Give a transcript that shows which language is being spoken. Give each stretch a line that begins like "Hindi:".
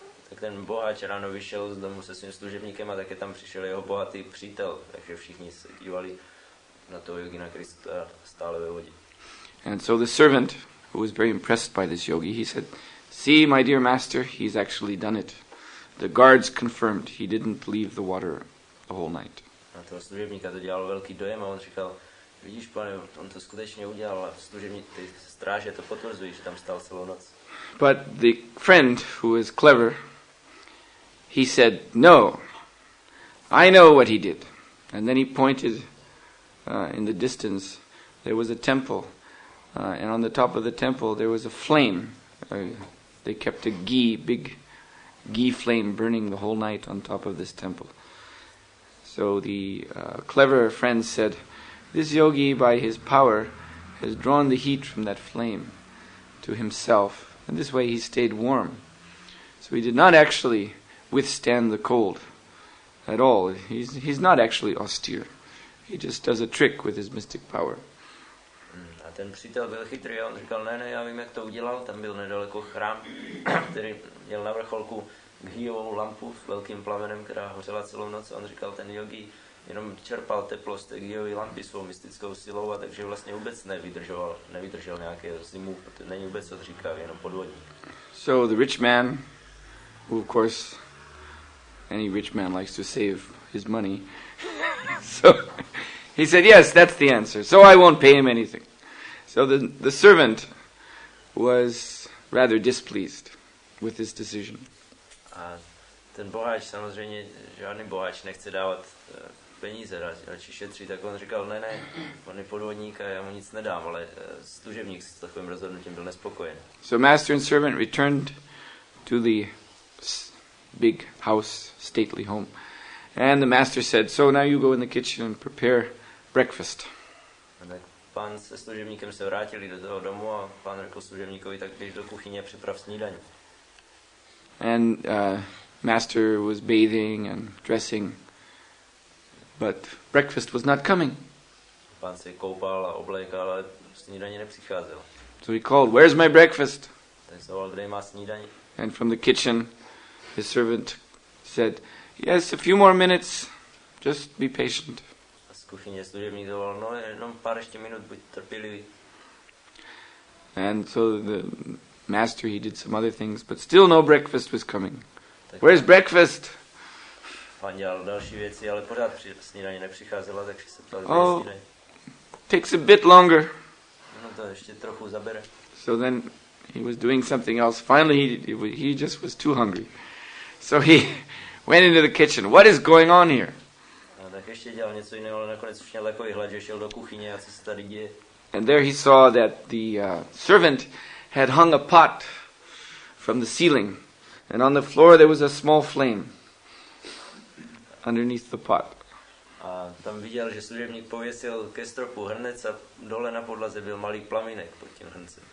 Czech: Tak ten bohač ráno vyšel z domu se svým služebníkem a také tam přišel jeho bohatý přítel, takže všichni se dívali na toho yogina, který stále ve vodě.
English: And so the servant, who was very impressed by this yogi, he said, "See, my dear master, he's actually done it. The guards confirmed he didn't leave the water the whole night."
Czech: A toho služebníka to dělalo velký dojem a on říkal, vidíš, pane, on to skutečně udělal a služebník, ty stráže to potvrzují, že tam stál celou noc.
English: But the friend, who is clever, he said, "No, I know what he did." And then he pointed in the distance. There was a temple, and on the top of the temple there was a flame. They kept a ghee, big ghee flame, burning the whole night on top of this temple. So the clever friend said, "This yogi, by his power, has drawn the heat from that flame to himself. And this way he stayed warm. So he did not actually withstand the cold at all. He's not actually austere. He just does a trick with his mystic power."
Czech: A ten přítel byl chytrý, on říkal, ne, já vím, jak to udělal. Tam byl nedaleko chrám, který měl na vrcholku ghýovou lampu s velkým plamenem, která hořela celou noc. On říkal, ten yogi jenom čerpal teplo z té ghýové lampy svou mystickou silou, a takže vlastně vůbec nevydržel nějaké zimu, protože není vůbec odříkavý, jenom podvodník.
English: So the rich man, who of course, any rich man likes to save his money, so he said, "Yes, that's the answer, so I won't pay him anything." So the servant was rather displeased with his decision.
Czech: A ten boháč, samozřejmě žádný boháč nechce dávat peníze, radši šetří, tak on říkal, ne, on je podvodník a já mu nic nedám, ale služebník s takovým rozhodnutím byl nespokojen.
English: So master and servant returned to the big house, stately home, and the master said, "So now you go in the kitchen and prepare breakfast."
Czech: A tak pan se služebníkem se vrátili do toho domu a pan řekl služebníkovi, tak běž do kuchyně a připrav snídaní.
English: And master was bathing and dressing, but breakfast was not coming.
Czech: Pan se koupal a oblékal, ale snídaně nepřicházelo.
English: So he called, "Where's my breakfast?"
Czech: Tak zavolal, kde má snídaně.
English: And from the kitchen, his servant said, "Yes, a few more minutes, just be patient."
Czech: A z kuchyně služebník zavolal, "No, jenom pár ještě minut, buď trpělivý."
English: And so the master, he did some other things, but still no breakfast was coming. Tak "Where's breakfast?"
Czech: Pan dělal další věci, ale pořád snídaně nepřicházela, takže se ptal,
English: "Oh, takes a bit longer."
Czech: No, to ještě trochu zabere.
English: So then he was doing something else. Finally, he just was too hungry. So he went into the kitchen. "What is going on here?"
Czech: No, tak ještě dělal něco jiného, ale nakonec už měl takový hlad, že šel do kuchyně a co se tady děje.
English: And there he saw that the servant had hung a pot from the ceiling, and on the floor there was a small flame underneath the pot.
Czech: A tam viděl, že služebník pověsil ke stropu hrnec a dole na podlaze byl malý plamínek pod tím hrncem.